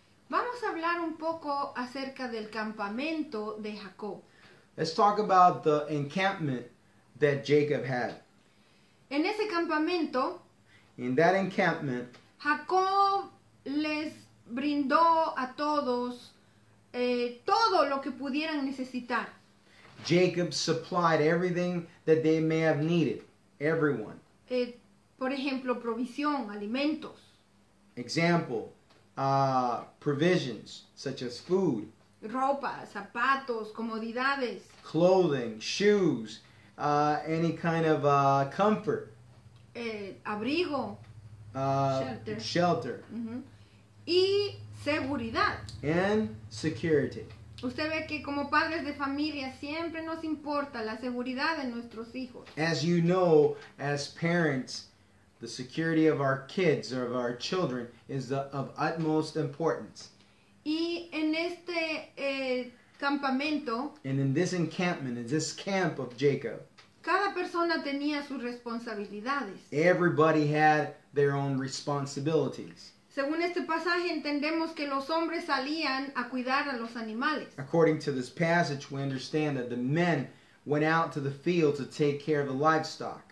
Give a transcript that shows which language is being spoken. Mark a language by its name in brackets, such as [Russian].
[Spanish] Vamos a hablar un poco acerca del campamento de Jacob. [English] Let's talk about the encampment that Jacob had. [Spanish] En ese campamento, [English] in that encampment, [Spanish] Jacob les brindó a todos todo lo que pudieran necesitar. [English] Jacob supplied everything that they may have needed, everyone. [Spanish] Por ejemplo, provisión, alimentos. [English] Example, provisions such as food, [Spanish] ropa, zapatos, comodidades, [English] clothing, shoes, any kind of comfort. [Spanish] Abrigo. [English] Shelter. [Spanish] Mm-hmm. Y seguridad. [English] And security. [Spanish] Usted ve que como padres de familia siempre nos importa la seguridad de nuestros hijos. [English] As you know, as parents, the security of our kids or of our children is of utmost importance. [Spanish] Y en este campamento, [English] and in this encampment, in this camp of Jacob, [Spanish] cada persona tenía sus responsabilidades. [English] Everybody had their own responsibilities. [Spanish] Según este pasaje, entendemos que los hombres salían a cuidar a los animales. [English] According to this passage, we understand that the men went out to the field to take care of the livestock.